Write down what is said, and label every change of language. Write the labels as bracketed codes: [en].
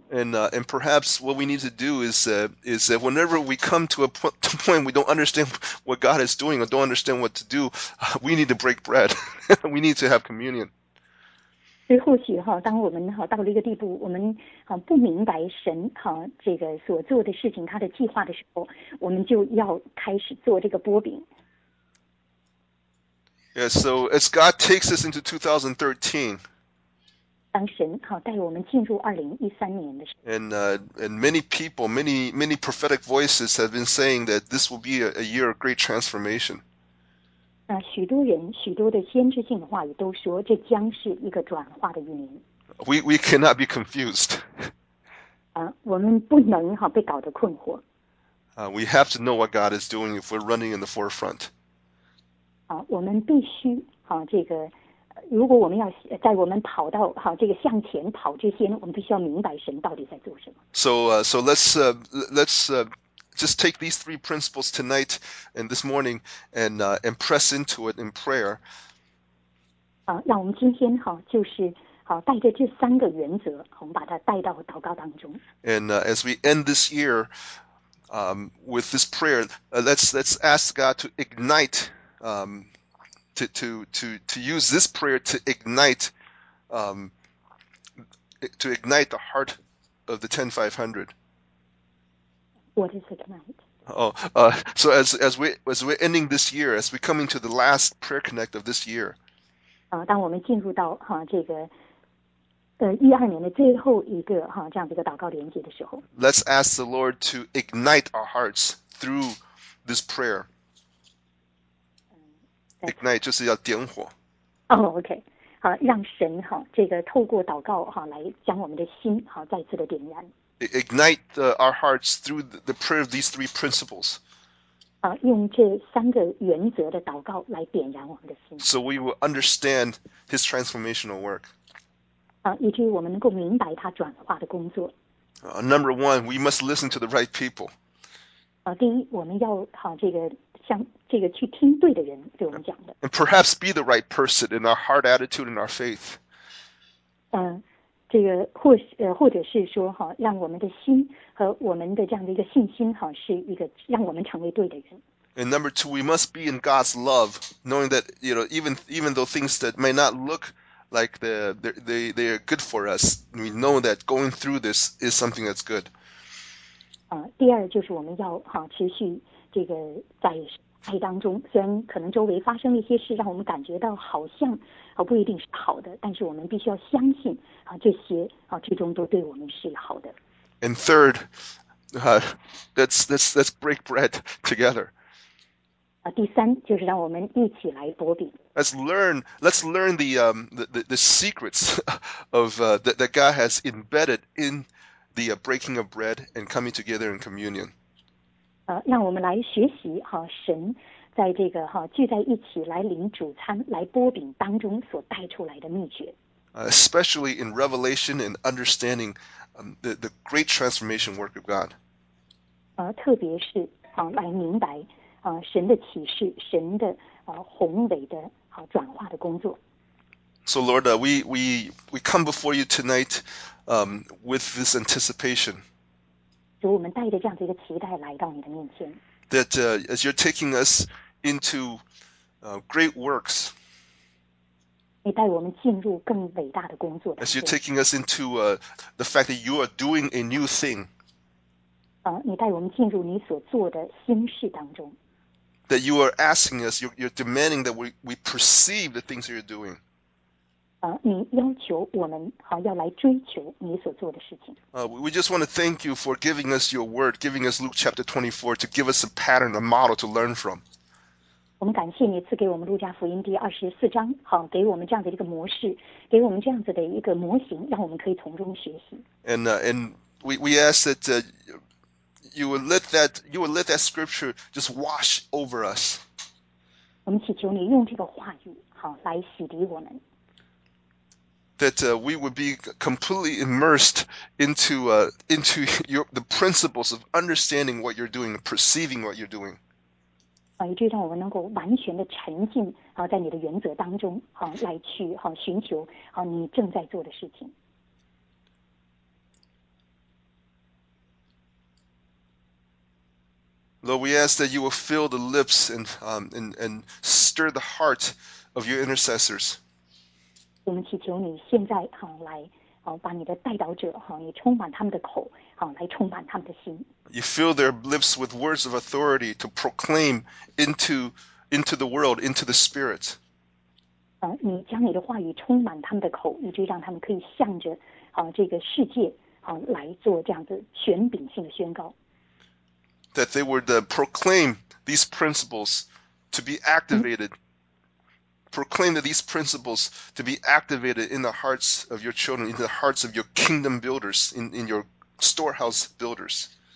[en] And perhaps what we need to do is whenever we come to a point we don't understand what God is doing or don't understand what to do, we need to break bread. We need to have communion. [zh] 所以或许哈，当我们哈到了一个地步，我们哈不明白神哈这个所做的事情、他的计划的时候，我们就要开始做这个剥饼。 [en] Yeah, so as God takes us into 2013, and many people, many prophetic voices have been saying that this will be a year of great transformation. [zh] 许多人许多的先知性的话语都说这将是一个转化的一年。 [en] We cannot be confused. [zh] 我们不能哈被搞得困惑。 [en] We have to know what God is doing if we're running in the forefront. [zh] 我们必须这个如果我们要在我们跑到这个向前跑之前，我们必须要明白神到底在做什么。 [en] So let's just take these three principles tonight and this morning and press into it in prayer. [zh] 让我们今天就是带着这三个原则，我们把它带到祷告当中。 [en] And as we end this year, with this prayer, let's ask God to ignite. To use this prayer to ignite the heart of the 10500. What is ignite? So as we're ending this year, as we come into the last prayer connect of this year. [zh] 当我们进入到这个一二年的最后一个这样的一个祷告连接的时候， [en] let's ask the Lord to ignite our hearts through this prayer. [zh] Ignite 就是要点火。 OK， 好，让神这个透过祷告来将我们的心再次的点燃。 [en] Ignite our hearts through the prayer of these three principles. [zh] 用这三个原则的祷告来点燃我们的心。 [en] So we will understand His transformational work. [zh] 以至于我们能够明白他转化的工作。 [en] Number one, we must listen to the right people. [zh] 第一，我们要这个。像这个去听对的人对我们讲的。 [en] And perhaps be the right person in our heart attitude and our faith. [zh] 这个或者是说让我们的心和我们的这样的一个信心是一个让我们成为对的人。 [en] And number two, we must be in God's love, knowing that, you know, even though things that may not look like they are good for us, we know that going through this is something that's good. [zh] 第二就是我们要持续这个在爱当中，虽然可能周围发生了一些事，让我们感觉到好像不一定是好的，但是我们必须要相信这些最终都对我们是好的。 [en] And third, let's break bread together. [zh] 第三就是让我们一起来擘饼。 [en] Let's learn the secrets of that God has embedded in the breaking of bread and coming together in communion. [zh] 让我们来学习神在这个聚在一起来领主餐来剥饼当中所带出来的秘诀。 [en] Especially in revelation and understanding the great transformation work of God. [zh] 特别是来明白神的启示，神的宏伟的转化的工作。 [en] So Lord, we come before you tonight, with this anticipation. [zh] 主，我们带着这样的一个期待来到你的面前。 [en] That as you're taking us into great works. [zh] 你带我们进入更伟大的工作。 [en] As you're taking us into the fact that you are doing a new thing. [zh] 你带我们进入你所做的新事当中。 [en] That you are asking us, you're demanding that we perceive the things that you're doing. [zh] 你要求我们要来追求你所做的事情。 [en] We just want to thank you for giving us your word, giving us Luke chapter 24 to give us a pattern, a model to learn from. [zh] 我们感谢你赐给我们路加福音第24章，给我们这样的一个模式，给我们这样子的一个模型，让我们可以从中学习。 [en] And we ask that you will let that scripture just wash over us. [zh] 我们祈求你用这个话语来洗涤我们。 [en] That we would be completely immersed into the principles of understanding what you're doing, perceiving what you're doing. [zh] 以至于让我们能够完全的沉浸在你的原则当中来去寻求你正在做的事情。 [en] Lord, we ask that you will fill the lips and stir the heart of your intercessors. [zh] 我们祈求你现在来把你的代祷者也充满他们的口来充满他们的心。 [en] You fill their lips with words of authority to proclaim into the world, into the spirit. [zh] 你将你的话语充满他们的口，以至于让他们可以向着这个世界来做这样子权柄性的宣告。 [en] That they would proclaim these principles to be activated. Proclaim that these principles to be activated in the hearts of your children, in the hearts of your kingdom builders, in your storehouse builders.